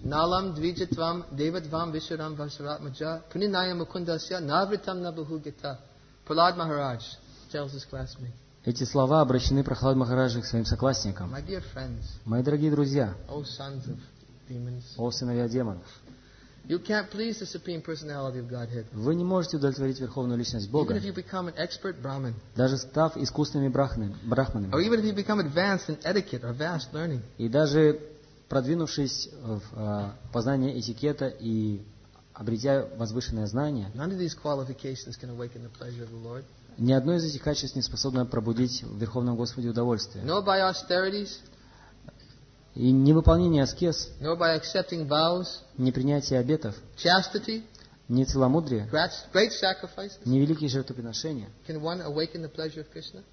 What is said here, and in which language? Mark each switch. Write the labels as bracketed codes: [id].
[sa] Налам двиджитвам девадвам вишарам варшаратмаджа пунинайя мукундасья навритам набухугита. [en] Пралад Махарадж tells his classmate. [ru] Эти слова обращены Прохлад Махараджа к своим соклассникам. Мои дорогие друзья, о сыновья демонов, [en] you can't please the supreme personality of Godhead. [ru] Вы не можете удовлетворить Верховную Личность Бога, [en] even if you become an expert Brahmin, [ru] даже став искусственными брахманами, [en] or even if you become advanced in etiquette or vast learning, [ru] и даже продвинувшись в познание этикета и обретя возвышенное знание, [en] none of these qualifications can awaken the pleasure of the Lord. [ru] Ни одно из этих качеств не способно пробудить в Верховном Господе удовольствие. [en] Nor by austerities, [ru] и невыполнение аскез, [en] nor by accepting vows, [ru] не принятие обетов, [en] chastity, [ru] не целомудрие, [en] great sacrifices, [ru] не великие жертвоприношения, [en] can one awaken the pleasure of Krishna?